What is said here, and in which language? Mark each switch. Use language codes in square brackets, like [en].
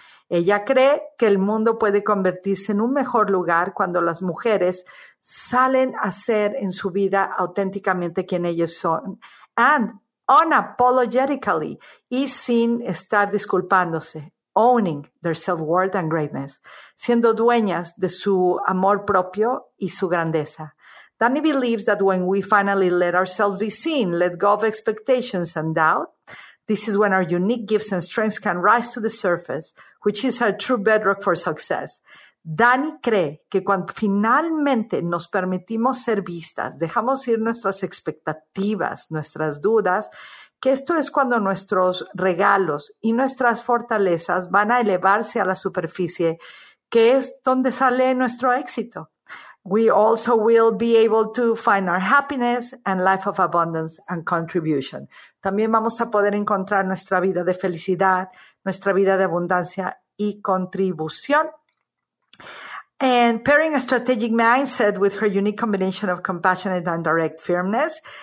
[es] Ella cree que el mundo puede convertirse en un mejor lugar cuando las mujeres salen a ser en su vida auténticamente quien ellas son [en] and unapologetically [es] y sin estar disculpándose, [en] owning their self-worth and greatness, [es] siendo dueñas de su amor propio y su grandeza. [en] Dani believes that when we finally let ourselves be seen, let go of expectations and doubt, this is when our unique gifts and strengths can rise to the surface, which is our true bedrock for success. [es] Dani cree que cuando finalmente nos permitimos ser vistas, dejamos ir nuestras expectativas, nuestras dudas, que esto es cuando nuestros regalos y nuestras fortalezas van a elevarse a la superficie, que es donde sale nuestro éxito. [en] We also will be able to find our happiness and life of abundance and contribution. [es] También vamos a poder encontrar nuestra vida de felicidad, nuestra vida de abundancia y contribución. [en] And pairing a strategic mindset with her unique combination of compassionate and direct firmness.